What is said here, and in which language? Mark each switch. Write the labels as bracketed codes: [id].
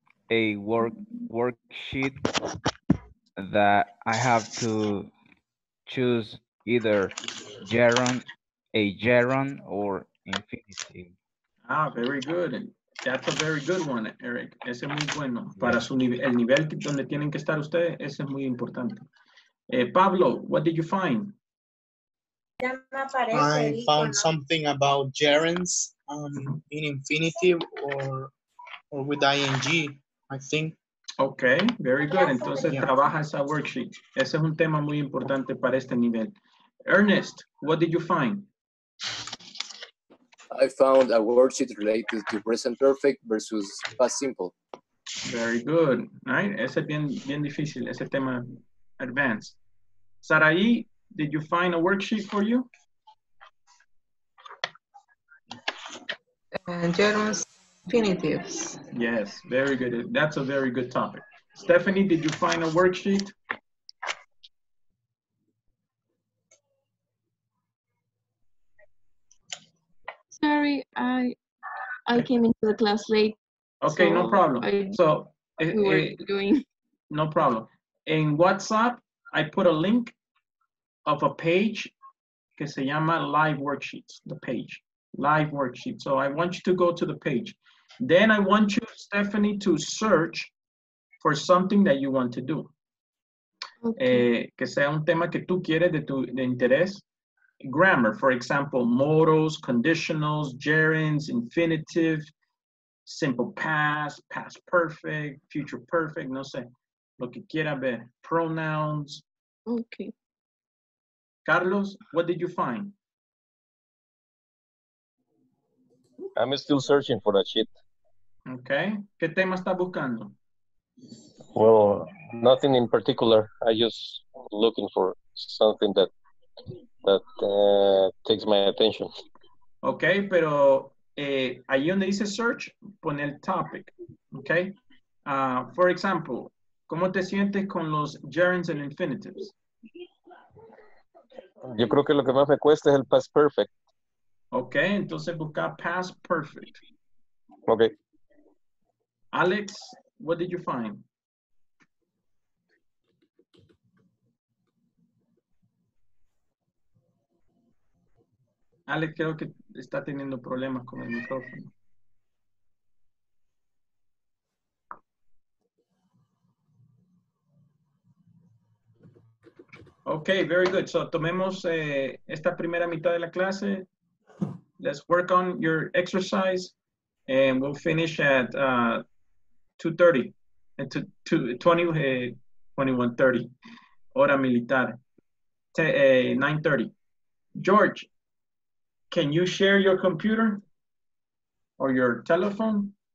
[en] A worksheet that I have to choose either gerund or infinitive. Ah, very good. That's a very good one, Eric. [es] Ese es muy bueno. Para su nivel, el nivel donde tienen que estar ustedes, ese es muy importante. [en] Pablo, what did you find? I found something about gerunds in infinitive or with ing, I think. Okay, very good. [es] Entonces, trabaja esa worksheet. Ese es un tema muy importante para este nivel. [en] Ernest, what did you find? I found a worksheet related to present perfect versus past simple. Very good. Right? [es] Ese es bien, bien difícil, ese tema advanced. [en] Sarai, did you find a worksheet for you? Gerunds, infinitives. Yes, very good. That's a very good topic. Stephanie, did you find a worksheet? Sorry, I came into the class late. Okay, so no problem. No problem. In WhatsApp, I put a link of a page [es] que se llama [en] live worksheets, the page, live worksheet. So I want you to go to the page. Then I want you, Stephanie, to search for something that you want to do. Okay. [es] Que sea un tema que tú quieres de interés. [en] Grammar, for example, modals, conditionals, gerunds, infinitive, simple past, past perfect, future perfect, [es] no sé, lo que quiera ver, [en] pronouns. Okay. Carlos, what did you find? I'm still searching for that sheet. [es] Okay. ¿Qué tema está buscando? [en] Well, nothing in particular. I just looking for something that takes my attention. [es] Okay, pero ahí donde dice search, pon el topic. Okay. [en] For example, [es] ¿cómo te sientes con los gerunds and infinitives? Yo creo que lo que más me cuesta es el past perfect. Okay, entonces busca past perfect. [en] Okay. Alex, what did you find? [es] Alex, creo que está teniendo problemas con el micrófono. [en] Okay, very good. So, [es] tomemos esta primera mitad de la clase. [en] Let's work on your exercise and we'll finish at 2:30. [es] At 21:30. Hora militar. [en] 9:30. George, can you share your computer or your telephone?